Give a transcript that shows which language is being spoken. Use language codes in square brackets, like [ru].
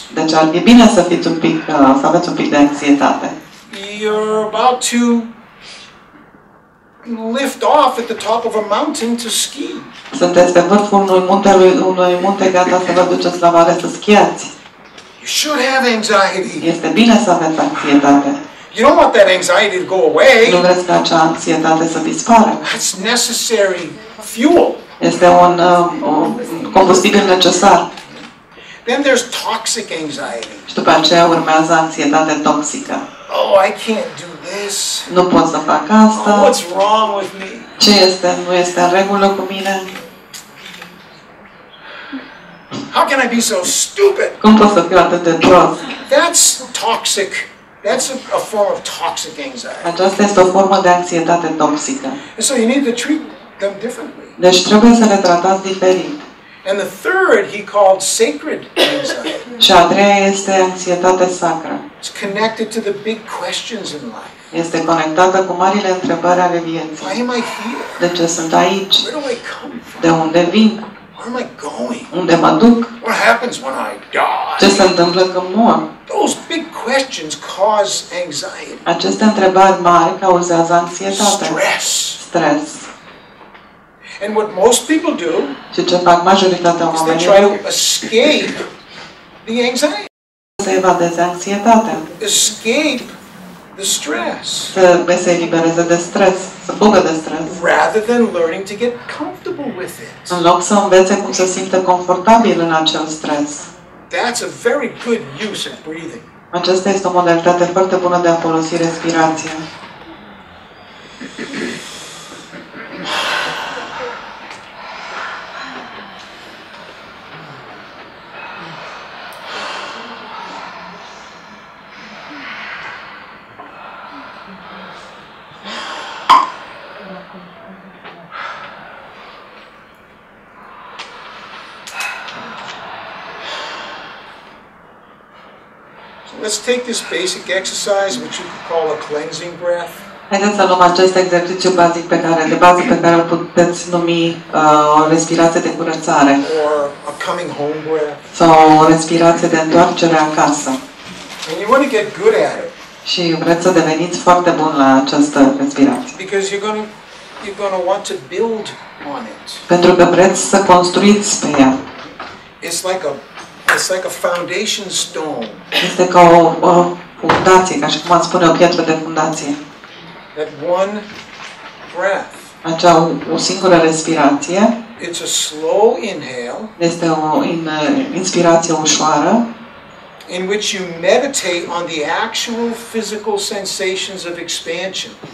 [ro] Deci ar fi bine să fiți un pic, să aveți un pic de anxietate. [en] You're about to lift off at the top of a mountain to ski. [ro] Sunteți pe vârful unui munte, gata să vă duceți la mare să schiați. [en] You should have anxiety. [ro] Este bine să aveți anxietate. [en] You don't want that anxiety to go away. [ro] Nu vreți ca acea anxietate să dispară. [en] It's necessary fuel. [ro] Este un combustibil necesar. [en] Then there's toxic anxiety. [ro] Și după aceea urmează anxietate toxică. [en] Oh, I can't do this. [ro] Nu pot să fac asta. [en] Oh, what's wrong with me? [ro] Ce este? Nu este în regulă cu mine? [en] How can I be so stupid? [ro] Cum pot să fiu atât de prost? [en] That's toxic. That's a form of toxic anxiety. [ro] Aceasta este o formă de anxietate toxică. [en] So you need to treat them differently. [ro] Deci trebuie să le tratați diferit. [en] And the third he called sacred anxiety. [ro] Și a treia este anxietate sacră. [en] It's connected to the big questions in life. [ro] Este conectată cu marile întrebări ale vieții. [en] Why am I here? [ro] De ce sunt aici? [en] Where do I come from? [ro] De unde vin? [en] Where am I going? [ro] Unde mă duc? [en] What happens when I die? [ro] Ce se întâmplă când mor? [en] Those big questions cause anxiety. [ro] Aceste întrebări mari cauzează anxietate. [en] Stress. [ro] Stres. [en] And what most people do? [ro] Și ce fac majoritatea oamenilor? [en] They try to escape the anxiety. [ro] Să evadeze anxietatea. [en] Escape the stress. [ro] Să se elibereze de stres, să fugă de stres. [en] Rather than learning to get comfortable with it. [ro] În loc să învețe cum să se simtă confortabil în acel stres. [en] That's a very good use of breathing. [ro] Aceasta este o modalitate foarte bună de a folosi respirația. [en] Take this basic exercise, which you could call a cleansing breath. [ro] Haideți să luăm acest exercițiu bazic pe care îl puteți numi o respirație de curățare. [en] Or a coming home breath. [ro] Sau o respirație de întoarcere acasă. [en] And you want to get good at it. [ro] Și vreți să deveniți foarte bun la această respirație. [en] Because you're gonna want to build on it. [ro] Pentru că vreți să construiți pe ea. [en] It's like a foundation stone. [ro] Este ca o fundație, ca și cum ați spune, o piatră de fundație. [en] That one breath. [ro] Acea o singură respirație. [en] It's a slow inhale. [ro] Este o inspirație ușoară. [en] In which you meditate on the actual physical sensations of expansion.